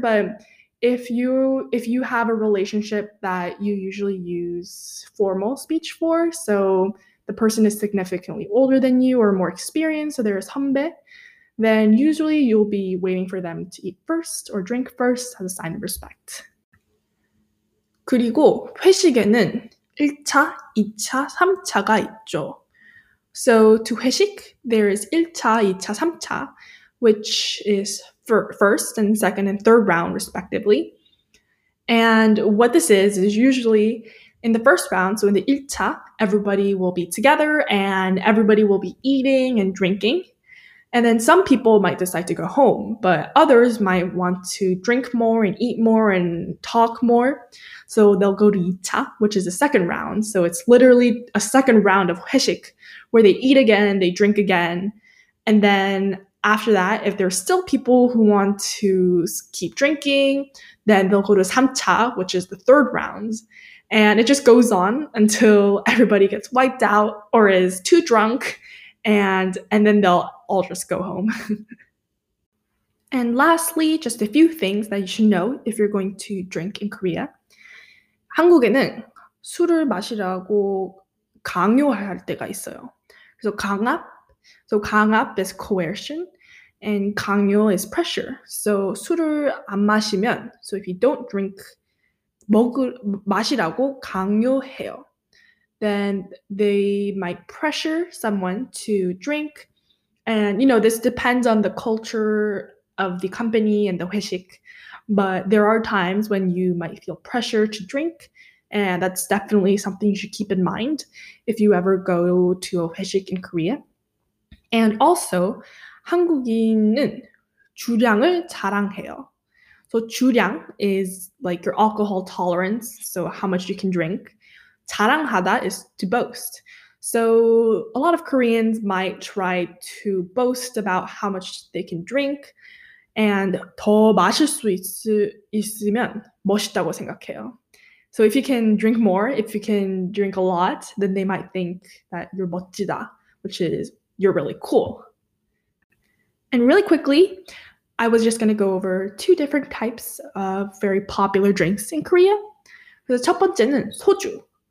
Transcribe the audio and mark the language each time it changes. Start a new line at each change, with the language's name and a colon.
English: But if you have a relationship that you usually use formal speech for, so the person is significantly older than you or more experienced, so there is 선배, then usually you'll be waiting for them to eat first or drink first as a sign of respect.
Korean: 그리고 회식에는 1차, 2차, 3차가 있죠.
English: So to 회식, there is 1차, 2차, 3차, which is first and second and third round respectively. And what this is usually in the first round, so in the 1차, everybody will be together and everybody will be eating and drinking. And then some people might decide to go home, but others might want to drink more and eat more and talk more. So they'll go to 2차, which is the second round. So it's literally a second round of 회식, where they eat again, they drink again. And then after that, if there's still people who want to keep drinking, then they'll go to 3차, which is the third round. And it just goes on until everybody gets wiped out or is too drunk. And then they'll all just go home. And lastly, just a few things that you should know if you're going to drink in Korea.
Korean: 한국에는 술을 마시라고 강요할 때가 있어요. 그래서 강압,
English: so 강압 is coercion, and 강요 is pressure. So
Korean: 술을 안 마시면,
English: so if you don't drink,
Korean: 마시라고 강요해요.
English: Then they might pressure someone to drink. And, you know, this depends on the culture of the company and the 회식. But there are times when you might feel pressure to drink. And that's definitely something you should keep in mind if you ever go to a 회식 in Korea. And also,
Korean: 한국인은 주량을 자랑해요.
English: So 주량 is like your alcohol tolerance, so how much you can drink. 자랑하다 is to boast. So a lot of Koreans might try to boast about how much they can drink, and
Korean: 더 마실 수 있으면 멋있다고 생각해요.
English: So if you can drink more, if you can drink a lot, then they might think that you're 멋지다, which is you're really cool. And really quickly, I was just going to go over two different types of very popular drinks in Korea.
Korean: 그래서 첫 번째는 소주.